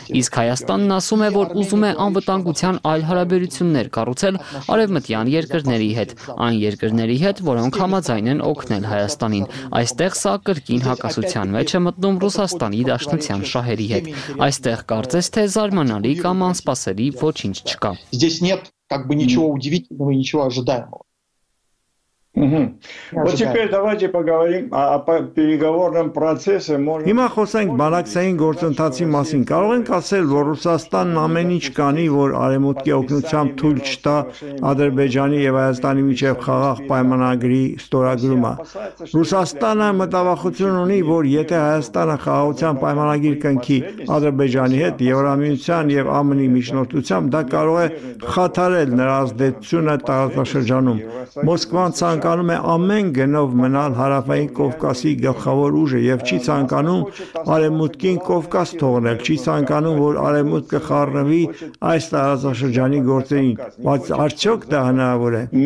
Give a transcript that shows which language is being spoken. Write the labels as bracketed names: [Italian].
[Armenian] իսկ Հայաստանն ասում է, որ ուզում է անվտանգության այլ հարաբերություններ կառուցել արևմտյան երկրների հետ, այն երկրների հետ, որոնք համաձայն են օգնել Հայաստանին։ Այստեղ սա կրկին հակասության մեջ է մտնում Ռուսաստանի դաշնության շահերի հետ։ Այստեղ կարծես թե զարմանալի կամ անսպասելի ոչինչ չկա։ [Russian] Здесь нет как бы ничего удивительного и ничего ожидаемого. Вот теперь давайте поговорим о переговорном процессе. [Armenian] Հիմա խոսենք բանակցային գործընթացի մասին։ Կարող ենք ասել, որ Ռուսաստանն ամեն ինչ կանի, որ Արևմուտքի օգնությամբ թույլ չտա Ադրբեջանի և Հայաստանի միջև խաղաղ պայմանագրի ստորագրումը։ Ռուսաստանը մտավախություն ունի, որ եթե Հայաստանը խաղաղության պայմանագիր կնքի Ադրբեջանի հետ, Եվրամիության և ԱՄՆ-ի միջնորդությամբ, դա կարող է խաթարել նրա ազդեցությունը տարածաշրջանում։ Մոսկվան ցանկանում է ամեն գնով մնալ հարավային Կովկասի գլխավոր ուժը, և չի ցանկանում Արևմուտքին Կովկաս թողնել, չի ցանկանում, որ Արևմուտքը խառնվի այս տարածաշրջանի գործերին, բայց արդյոք դա հնարավոր է։